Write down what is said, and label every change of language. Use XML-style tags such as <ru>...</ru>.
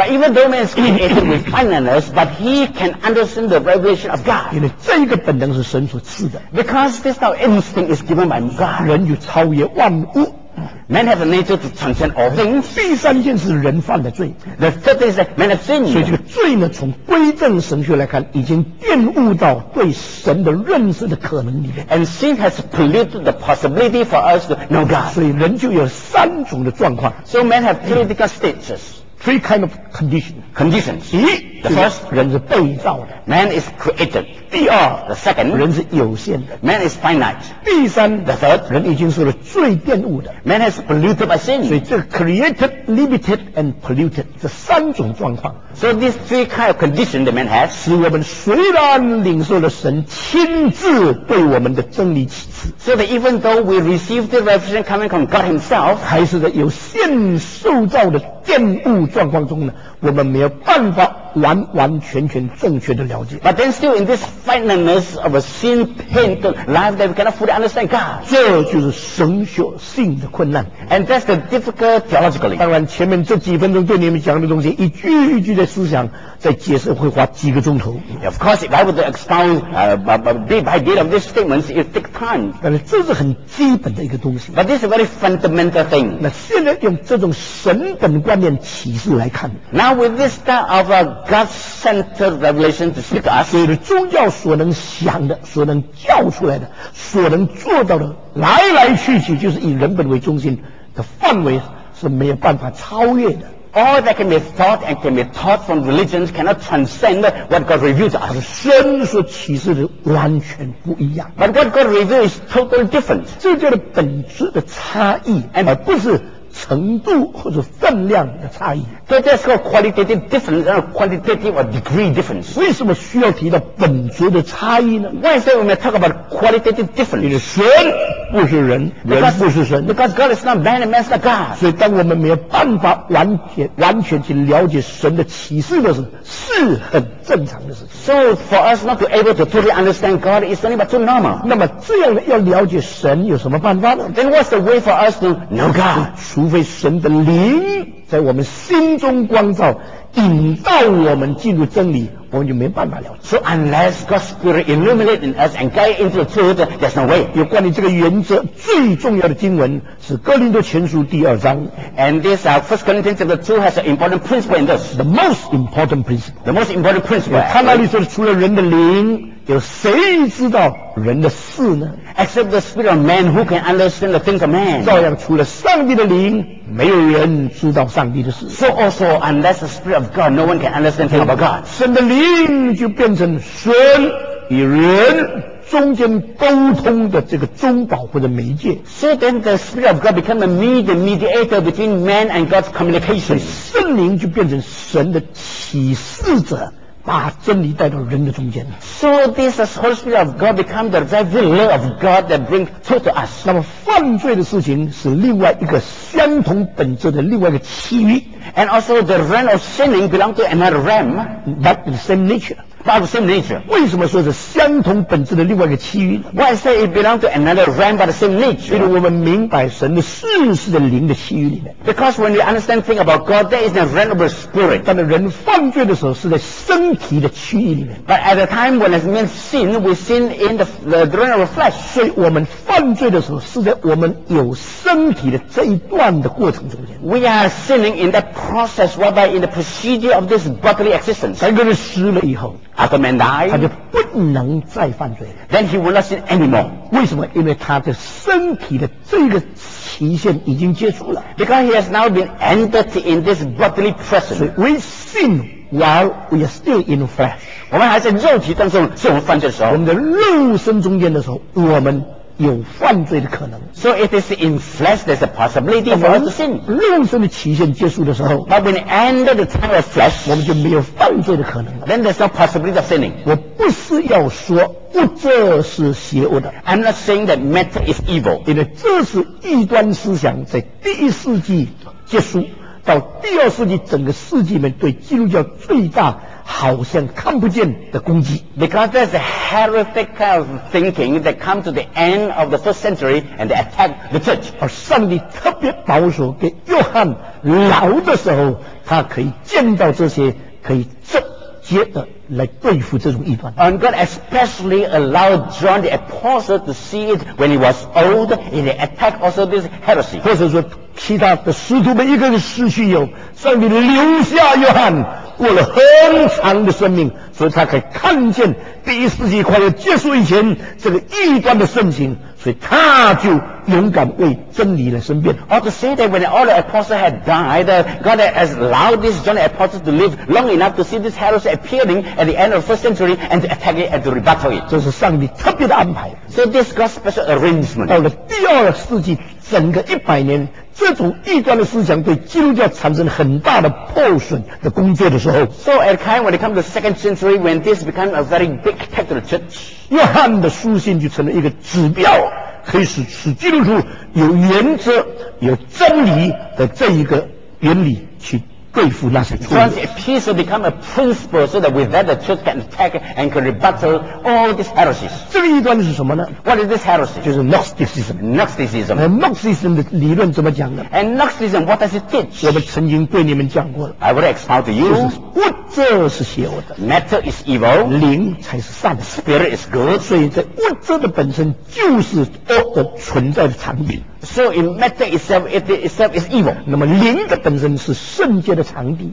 <en>But even though man's created with finiteness, but he can understand the revelation of God.</en> <zh>因为这个本能是神所赐的。</zh> <en>Because this kind of instinct is given by God.</en> <zh>人就超越万物。</zh> <en>Man has a nature to transcend all things.</en> <zh>第三件是人犯的罪。</zh> <en>The third is that man has sinned.</en> <zh>所以这个罪呢，从归正神学来看，已经玷污到对神的认识的可能里面。</zh> <en>And sin has polluted the possibility for us to know God.</en> <zh>所以人就有三种的状况。</zh> <en>So man has three different stages. Three kind of conditions. Conditions.</en> <zh>一，</zh> <en>The first,</en> <zh>人是被造的。</zh> <en>Man is created.</en> <zh>第二</zh> <en>The second,</en> <zh>人是有限的。</zh> <en>Man is finite.</en> <zh>第三</zh> <en>The third,</en> <zh>人已经受了罪玷污的。</zh> <en>Man has polluted by sin.</en> <zh>所以这个</zh> <en>created, limited, and polluted,</en> <zh>这三种状况。</zh> <en>So these three kind of conditions that man has,</en> <zh>使我们虽然领受了神亲自对我们的真理启示。</zh> <en>So that even though we receive the revelation coming from God himself,</en> <zh>还是在有限受造的玷污状况中呢，我们没有办法完完全全正确的了解。</zh> <en>But then still in this finiteness of a sin-tainted life that we cannot fully understand God.</en> <zh>这就是神学性的困难。</zh> <en>And that's the difficult theologically.</en> <zh>当然前面这几分钟对你们讲的东西一句一句的思想在解释会花几个钟头。</zh> <en>Of course, if I were to expound bit by bit of these statements, it would take time.</en> <zh>但是这是很基本的一个东西。</zh> <en>But this is a very fundamental thing.</en> <zh>那现在用这种神本观念启示来看。</zh> <en>Now with this kind of a God-centered revelation to speak to us,</en> <zh>所有宗教所能想的、所能叫出来的、所能做到的，来来去去就是以人本为中心的范围是没有办法超越的。</zh> <en>All that can be thought and can be taught from religions cannot transcend what God reveals to us.</en> <zh>神所启示的完全不一样。</zh> <en>But what God reveals is totally different.</en> <zh>这就是本质的差异，而不是程度或者分量的差异。</zh> <en>So that's called qualitative difference and quantitative or degree difference.</en> <zh>为什么需要提到本质的差异呢？</zh> <en>Why is that we may talk about qualitative difference?</en> <zh>因为神不是人，人不是神。</zh> <en>Because God is not man and man is not God.</en> <zh>所以当我们没有办法完全去了解神的启示的时候，是很正常的事情。</zh> <en>So for us not to able to totally understand God is only but too normal.</en> <zh>那么这样要了解神有什么办法呢？</zh> <en>Then what's the way for us to know God?</en> <zh>除非神的灵在我们心中光照，引导我们进入真理，我们就没办法了解。</zh> <en>So unless God's Spirit illuminates in us and guides into the truth, there's no way.</en> <zh>有关于这个原则，最重要的经文是《哥林多前书》第二章。</zh> <en>And this First Corinthians chapter 2 has an important principle in this. The most important principle. The most important principle.</en> <zh>他那里说的，除了人的灵，有谁知道人的事呢？</zh> <en>Except the spirit of man, who can understand the things of man?</en> <zh>照样，除了上帝的灵，没有人知道上帝的事。</zh> <en>So also, unless the spirit of God, no one can understand things about God.</en> <zh>神的灵就变成神与人中间沟通的这个中保或者媒介。</zh> <en>So then, the spirit of God becomes the mediator between man and God's communication.</en> <zh>是真灵就变成神的启示者，把真理带到人的中间。</zh> <en>So this is Holy Spirit of God become the revealer of God that bring truth to us. 那么犯罪的事情是另外一个相同本质的另外一个契约。 And also the realm of sinning belong to another realm, but the same nature. By the same nature.</en> <zh>为什么说是相同本质的另外一个契约呢</zh> <en>？Why say it belongs to another realm by the same nature?</en> <zh>因为我们明白神的世事的灵的契约里面。</zh> <en>Because when you understand thing about God, there is a realm of spirit.</en> <zh>当人犯罪的时候，是在身体的契约里面。</zh> <en>But at the time when it means sin, we sin in the realm of flesh.</en> <zh>所以我们犯罪的时候，是在我们有身体的这一段的过程中间。</zh> <en>We are sinning in that process, whereby in the procedure of this bodily existence.</en> <zh>当一个人死了以后。</zh> <en>After man died,</en> <zh>他就不能再犯罪了。</zh> <en>Then he will not sin anymore.</en> <zh>为什么？因为他的身体的这个期限已经结束了。</zh> <en>Because he has now been entered in this bodily presence. We sin while we are still in flesh.</en> <zh>我们还在肉体当中，是我们犯罪的时候。我们的肉身中间的时候，我们有犯罪的可能。</zh> <en>So it is in flesh there's a possibility for us to sin.</en> <zh>肉身的期限结束的时候</zh> <en>，But when ended the time of flesh，</en> <zh>我们就没有犯罪的可能了。</zh> <en>Then there's no possibility of sinning.</en> <zh>我不是要说物质是邪恶的。</zh> <en>I'm not saying that matter is evil.</en> <zh>因为这是异端思想在第一世纪结束到第二世纪整个世纪里面对基督教最大。好像看不见的攻击</zh> <en>because there's a heretic kind of thinking that come to the end of the first century and they attack the church</en> <zh>而上帝特别保守给约翰老的时候他可以见到这些可以直接的来对付这种异端</zh> <en>and God especially allowed John the Apostle to see it when he was old and he attacked also this heresy</en> <zh>或者说其他的使徒们一个人失去以后上帝留下约翰过了很长的生命所以他可以看见第一世纪快要结束以前这个异端的盛行所以他就勇敢为真理来申辩</zh> <en>Or to say that when all the apostles had died God has allowed this John the Apostle to live long enough to see this heresy appearing at the end of the first century and to attack it and to rebuttal it</en> <zh>这是上帝特别的安排</zh> <en>So this God's special arrangement</en> <zh>到了第二世纪整个一百年这种异端的思想对基督教产生很大的破损的工作的时候</zh> <en>So at the time when it comes to the second century when this became a very big attack to the church</en> <zh>约翰的书信就成了一个指标可以使基督徒有原则有真理的这一个原理去对付那些错误</zh> <en>John's epistle become a principle so that with that the church can attack and can rebuttal all these heresies</en> <zh>这个异端是什么呢</zh> <en>What is this heresy</en> <zh>就是 Gnosticism</zh> <en>Gnosticism</en> <zh>and Gnosticism 的理论怎么讲呢</zh> <en>And Gnosticism what does it teach</en> <zh>我们曾经对你们讲过了</zh> <en>I will expound to you</en> <zh>物质是邪恶的</zh> <en>Matter is evil</en> <zh>灵才是善的</zh> <en>Spirit is good</en> <zh>所以这物质的本身就是恶的存在的产品</zh> <en>So in matter itself, it itself is evil.</en> <zh>那么灵的本身是圣洁的场地。</zh>